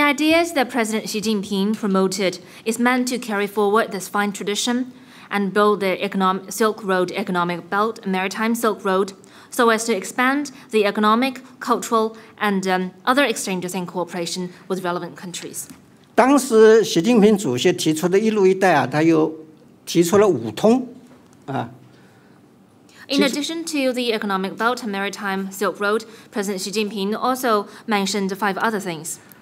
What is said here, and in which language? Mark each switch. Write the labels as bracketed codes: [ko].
[en] ideas that President Xi Jinping promoted is meant to carry forward this fine tradition and build the Silk Road Economic Belt, Maritime Silk Road, so as to expand the economic, cultural, and other exchanges and cooperation with relevant countries. [zh] 当时习近平主席提出的一路一带啊，他又提出了五通，啊。 [en] In addition to the Economic Belt and Maritime Silk Road, President Xi Jinping also mentioned five other things.